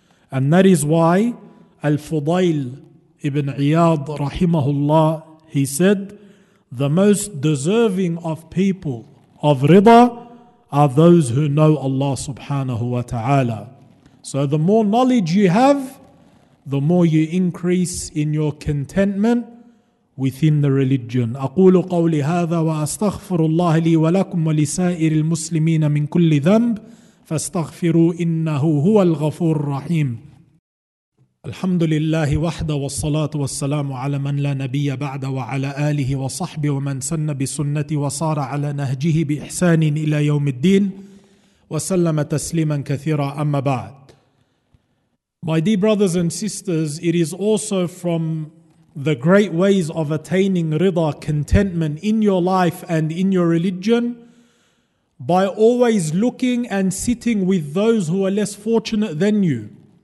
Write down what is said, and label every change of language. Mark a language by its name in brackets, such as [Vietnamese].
[English] And that is why Al-Fudail ibn Iyad rahimahullah, he said, the most deserving of people of rida are those who know Allah subhanahu wa ta'ala. So the more knowledge you have, the more you increase in your contentment within the religion. [Arabic] أقول قولي هذا وأستغفر الله لي ولكم ولسائر المسلمين من كل ذنب فاستغفروا إنه هو الغفور الرحيم. الحمد لله وحده والصلاة والسلام على من لا نبي بعد وعلى آله وصحبه ومن سن بسنته وصار على نهجه بإحسان إلى يوم الدين وسلم تسليما كثيرا أما بعد. [English] My dear brothers and sisters, it is also from the great ways of attaining rida, contentment in your life and in your religion, by always looking and sitting with those who are less fortunate than you.